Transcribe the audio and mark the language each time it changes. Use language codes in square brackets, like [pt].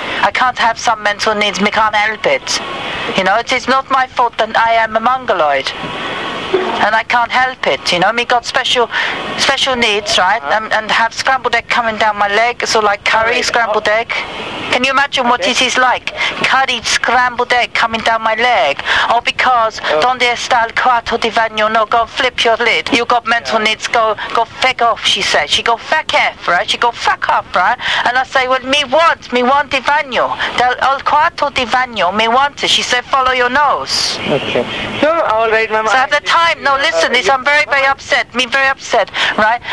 [en] I can't have some mental needs, me can't help it. You know, it is not my fault that I am a mongoloid. And I can't help it, you know. Me got special needs, right? And have scrambled egg coming down my leg, so like curry scrambled egg. Can you imagine what it is like? Curried scrambled egg coming down my leg. [es] All because donde está el cuarto de baño? [en] No, go flip your lid. You got mental needs, go fuck off, she said. She go fuck off, right? She go fuck off, right? And I say, well, me want de baño. El cuarto de baño, me want it. She said, follow your nose. Okay. So, all right, ma'am. So at the time, no, listen, I'm very, very upset. Me very upset, right?